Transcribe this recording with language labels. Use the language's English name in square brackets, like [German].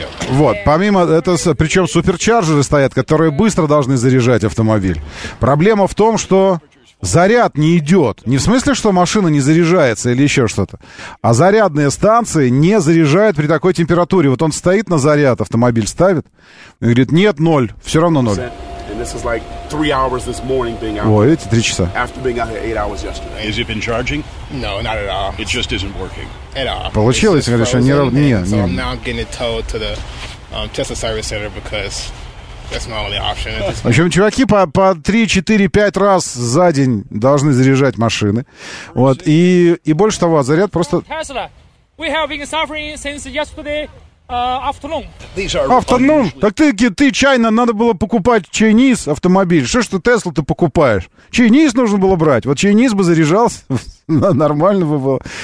[Russian] Вот, помимо этого... Причем суперчарджеры стоят, которые быстро должны заряжать автомобиль. Проблема в том, что заряд не идет. Не в смысле, что машина не заряжается или еще что-то. А зарядные станции не заряжают при такой температуре. Вот он стоит на заряд, автомобиль ставит, и говорит, нет, ноль, все равно ноль. [English] This is like 3 hours this morning being out. [Russian] Ой, эти 3 часа. [English] After being out here 8 hours yesterday. Has it been charging? No, not at all. It just isn't working at all. [Russian] Получилось, конечно, не работает. Нет, нет. [English] So now I'm getting towed to the Tesla service center because that's my only option. [Russian] В общем, чуваки по 3-4-5 раз за день должны заряжать машины. Вот, и больше того, заряд просто... [English] Tesla, we have been suffering since yesterday. Afternoon. Afternoon? [Russian] Так ты China, надо было покупать Chinese автомобиль. Что ж ты Tesla ты покупаешь? Chinese нужно было брать. Вот Chinese бы заряжался, нормально бы было.